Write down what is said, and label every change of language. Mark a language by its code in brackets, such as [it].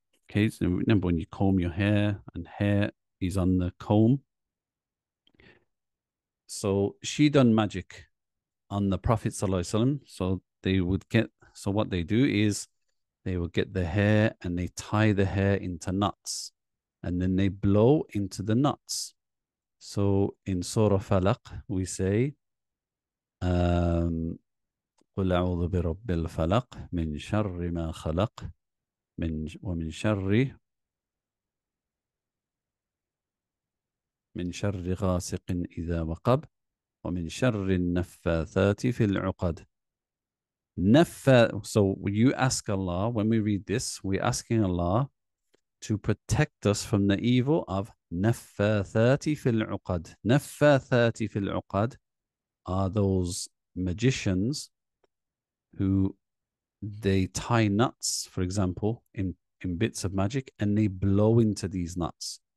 [en] Okay, so remember when you comb your hair and hair is on the comb. So she done magic on the Prophet sallallahu alaihi wasallam. So what they do is they will get the hair and they tie the hair into knots and then they blow into the knots. So in Surah Falaq, we say, [ar] قُلْ أَعُوذُ بِرَبِّ الْفَلَقِ مِنْ شَرِّ مَا خَلَقْ وَمِنْ شَرِّ غَاسِقٍ إِذَا وَقَبْ وَمِنْ شَرِّ النَّفَّاثَاتِ فِي الْعُقَدِ. [en] So you ask Allah, when we read this, we're asking Allah to protect us from the evil of [ar] نَفَّاثَاتِ فِي الْعُقَدِ. نَفَّاثَاتِ فِي الْعُقَدِ [en] are those magicians who they tie knots, for example, in bits of magic, and they blow into these knots.